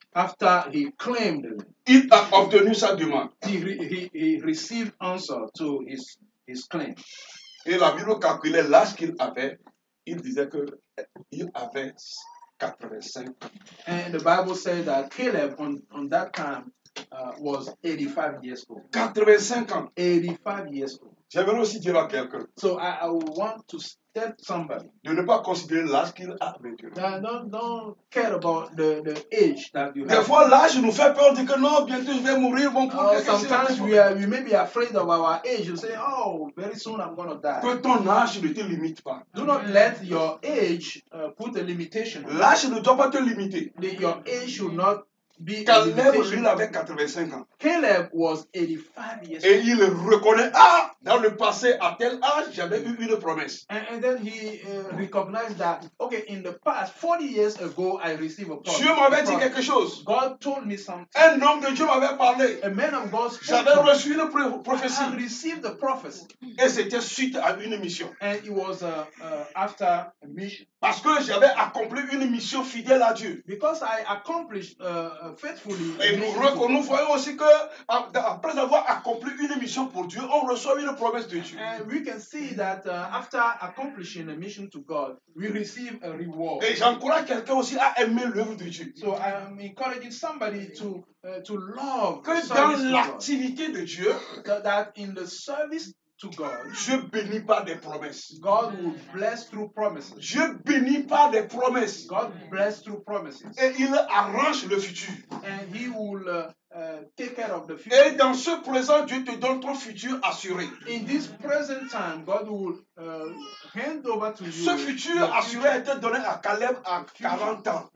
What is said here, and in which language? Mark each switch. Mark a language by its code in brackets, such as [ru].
[en] After he claimed the land. [fr] Il a obtenu sa demande. [en] He received answer to his claim. [fr] Et la Bible calculait l'âge qu'il avait. Il disait qu'il avait 85 ans. [en] And the Bible said that Caleb on that time was 85 years old. [fr] 85 ans. [en] 85 years old. [fr] J'aimerais aussi dire à quelqu'un. [en] So I want to tell somebody. [fr] De ne pas considérer l'âge qu'il a maintenant. [en] Don't care about the age that you have. [fr] Des fois l'âge nous fait peur. On dit que non, bientôt je vais mourir. Bon, [en] sometimes we may be afraid of our age. You say, oh, very soon I'm going to die. [fr] Que ton âge ne te limite pas. [en] Do not let your age put a limitation. [fr] L'âge ne doit pas te limiter. [en] Your age should not. [fr] Caleb, lui, avait 85 ans. [en] Caleb was 85 years old. [fr] Et il reconnaît, dans le passé, à tel âge, j'avais eu une promesse. [en] And then he recognized that, okay, in the past, 40 years ago, I received a promise. [fr] Dieu m'avait dit quelque chose. [en] God told me something. [fr] Un homme de Dieu m'avait parlé. [en] A man of God spoke. [fr] J'avais reçu une prophétie. [en] I received the prophecy. [fr] Et c'était suite à une mission. [en] And it was after a mission. [fr] Parce que j'avais accompli une mission fidèle à Dieu. [en] Because I accomplished faithfully. [fr] Et nous voyons aussi que après avoir accompli une mission pour Dieu, on reçoit une promesse de Dieu. [en] And we can see that after accomplishing a mission to God, we receive a reward. [fr] Et j'encourage quelqu'un aussi à aimer l'œuvre de Dieu. [en] So I'm encouraging somebody to love [fr] que dans l'activité de Dieu, [en] that in the service to God. [fr] Je bénis par des promesses. [en] God will bless through promises. [fr] Je bénis par des promesses. [en] God bless through promises. [fr] Et il arrange le futur. [en] And he will take care of the future. [fr] Et dans ce présent, Dieu te donne ton futur assuré. [en] In this present time, God will hand over to you. [fr] Ce futur assuré a été donné à Caleb à 40 ans.